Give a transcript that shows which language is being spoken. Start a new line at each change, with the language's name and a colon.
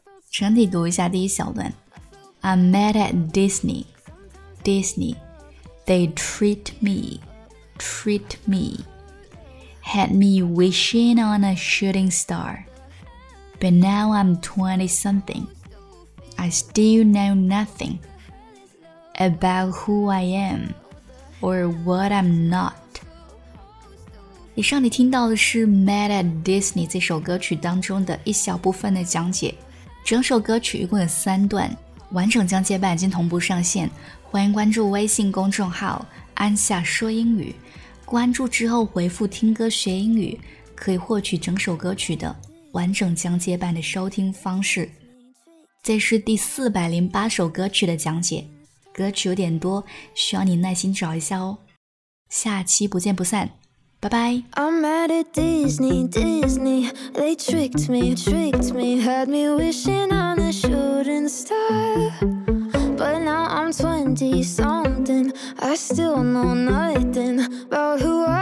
Chinese: 整体读一下第一小段
English: I'm mad at Disney, Disney, they treat me,Treat me, had me wishing on a shooting star, but now I'm 20 something. I still know nothing about who I am or what I'm not.
Chinese: 以上你听到的是 Mad at Disney 这首歌曲当中的一小部分的讲解。整首歌曲一共有三段，完整讲解版已经同步上线，欢迎关注微信公众号安夏说英语。关注之后回复听歌学英语，可以获取整首歌曲的完整讲解版的收听方式。这是第408首歌曲的讲解，歌曲有点多，需要你耐心找一下哦。下期不见不散，拜拜。
English: I'm at a Disney They tricked me Had me wishing on a shooting star But now I'm 20 something I still know nothing About who